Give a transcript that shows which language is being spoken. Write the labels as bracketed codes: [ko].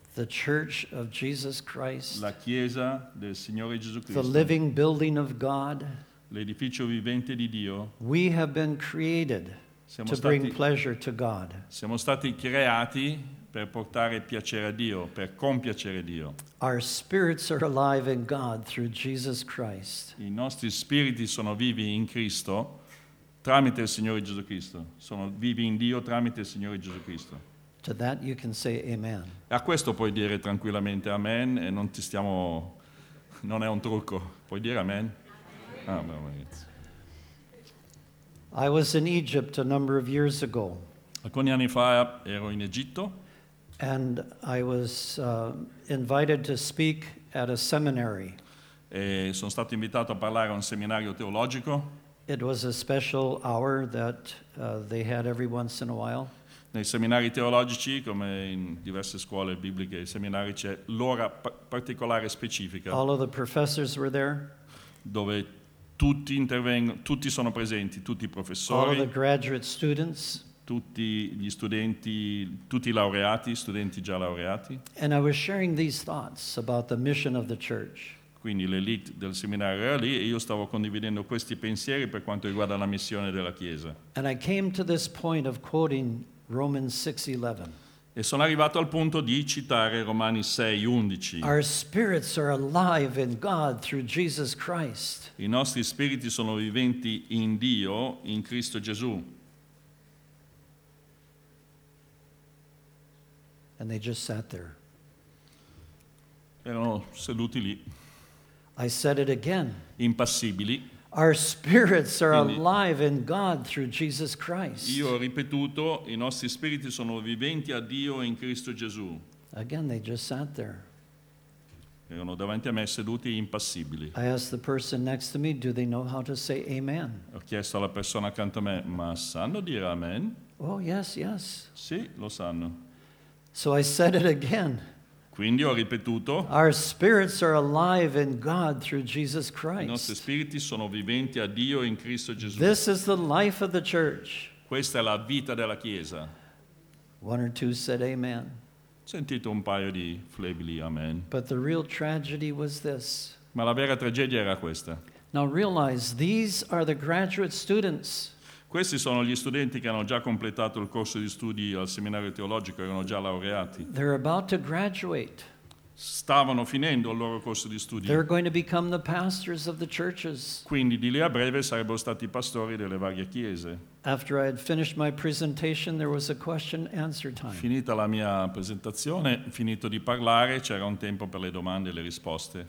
[en] the church of Jesus Christ, [it] la chiesa del Signore Gesù Cristo, [en] the living building of God, [it] l'edificio vivente di Dio, [en] we have been created to bring pleasure to God. [it] Siamo stati creati per portare piacere a Dio, per compiacere Dio. [en] Our spirits are alive in God through Jesus Christ. [it] I nostri spiriti sono vivi in Cristo tramite il Signore Gesù Cristo. Sono vivi in Dio tramite il Signore Gesù Cristo. [en] To that you can say amen. [it] A questo puoi dire tranquillamente amen e non ti stiamo, non è un trucco. Puoi dire amen? Amen. Oh, [en] I was in Egypt a number of years ago. [it] Alcuni anni fa ero in Egitto. [en] And I was invited to speak at a seminary. [it] E sono stato invitato a parlare a un seminario teologico. [en] It was a special hour that they had every once in a while. [it] Nei seminari teologici, come in diverse scuole bibliche e seminari, c'è l'ora particolare specifica. [en] All of the professors were there. [it] Dove tutti intervengono, tutti sono presenti, tutti i professori. [en] All of the graduate students. [it] Tutti gli studenti, tutti i laureati, studenti già laureati. [en] And I was sharing these thoughts about the mission of the church. [it] Quindi l'elite del seminario era lì e io stavo condividendo questi pensieri per quanto riguarda la missione della Chiesa. [en] And I came to this point of quoting Romans 6:11. [it] E sono arrivato al punto di citare Romani 6:11. [en] Our spirits are alive in God through Jesus Christ. [it] I nostri spiriti sono viventi in Dio, in Cristo Gesù. [en] And they just sat there. [it] Erano seduti lì. [en] I said it again. [it] Impassibili. [en] Our spirits are alive in God through Jesus Christ. [it] Io ho ripetuto, i nostri spiriti sono viventi a Dio in Cristo Gesù. [en] Again, they just sat there. [it] Erano davanti a me seduti impassibili. [en] I asked the person next to me, do they know how to say amen? [it] Ho chiesto alla persona accanto a me, ma sanno dire amen? [en] Oh, yes, yes. [it] Sì, lo sanno. [en] So I said it again. [it] Quindi ho ripetuto. [en] Our spirits are alive in God through Jesus Christ. [it] I nostri spiriti sono viventi a Dio in Cristo Gesù. [en] This is the life of the church. [it] Questa è la vita della Chiesa. [en] One or two said amen. [it] Sentito un paio di flebili amen. [en] But the real tragedy was this. [it] Ma la vera tragedia era questa. [en] Now realize these are the graduate students. [it] Questi sono gli studenti che hanno già completato il corso di studi al seminario teologico, erano già laureati. [en] They're about to graduate. [it] Stavano finendo il loro corso di studi. [en] They're going to become the pastors of the churches. [it] Quindi di lì a breve sarebbero stati pastori delle varie chiese. [en] After I had finished my presentation, there was a question answer time. [it] Finita la mia presentazione, finito di parlare, c'era un tempo per le domande e le risposte.